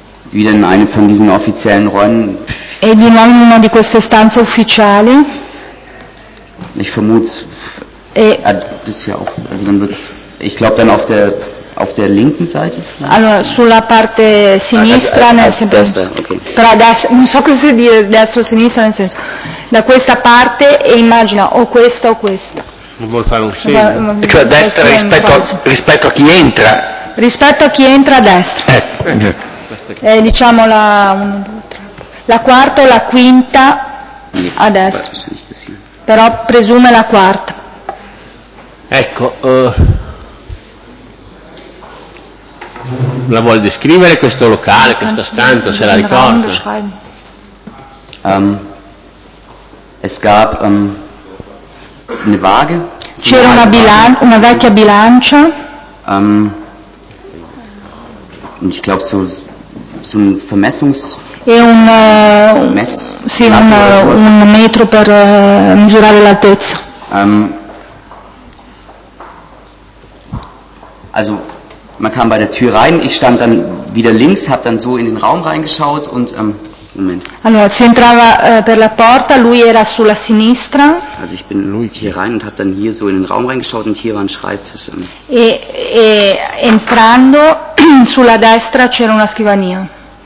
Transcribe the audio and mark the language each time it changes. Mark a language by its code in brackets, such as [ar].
[de] wieder in einem von diesen offiziellen Räumen. [it] E di nuovo in una di queste stanze ufficiali. [de] Ich vermute. Das ist ja auch, also dann wird's, ich glaube dann auf der linken Seite. [it] Allora, sulla parte sinistra, nel senso. Però adesso non so cosa dire, destra o sinistra, nel senso. Da questa parte e immagina o questa o questa. Non vuol fare un segno. Cioè destra rispetto a chi entra. Rispetto a chi entra a destra. Diciamo la 1, 2, 3. La quarta o la quinta a destra. Però presume la quarta. Ecco, la vuole descrivere questo locale, questa stanza, se la ricorda? [de] Es gab eine Waage. [it] C'era una bilancia, una vecchia bilancia. [de] Ich glaube so ein Vermessungs. [it] E un un metro per misurare l'altezza. [de] Also man kam bei der Tür rein, ich stand dann wieder links, habe dann so in den Raum reingeschaut und Moment. [it] Allora, si entrava per la porta, lui era sulla sinistra. [de] Also ich bin lui hier rein und habe dann hier so in den Raum reingeschaut und hier war ein Schreibtisch. [it] E entrando sulla destra c'era una scrivania.